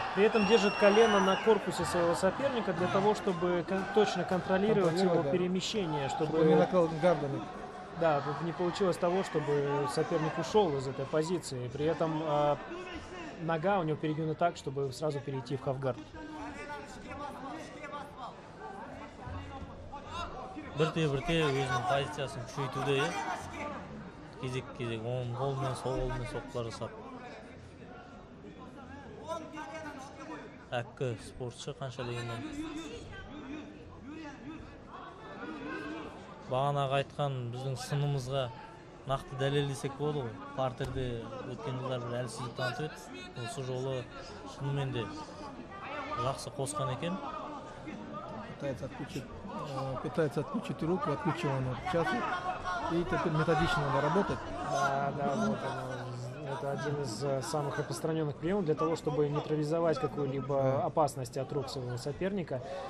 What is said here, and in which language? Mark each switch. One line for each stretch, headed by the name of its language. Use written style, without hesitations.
Russian: При этом держит колено на корпусе своего соперника для того, чтобы точно контролировать его перемещение. Чтобы не накрыл гардами. Да, тут не получилось того, чтобы соперник ушел из этой позиции. При этом нога у него перегнута так, чтобы сразу перейти в хафгард.
Kazakh: Бірте-бірте өзінің позициясын күшейтуде. Кезек-кезек оң қолымен соғылмен соққылар жасап. Әккі спортшы қанша дегенмен. Бағанаға айтқан біздің сынымызға нақты дәлелдесек болды ғой. Партерде өткен жылдар бір әлсіздік танытып еді. Осы жолы шынымен де жақсы қосқан екен.
Russian: Пытается отключить руку, отключил он вот сейчас и методично она работает. Да, да, вот она. Это один из самых распространенных приемов для того, чтобы нейтрализовать какую-либо опасность от рук своего соперника.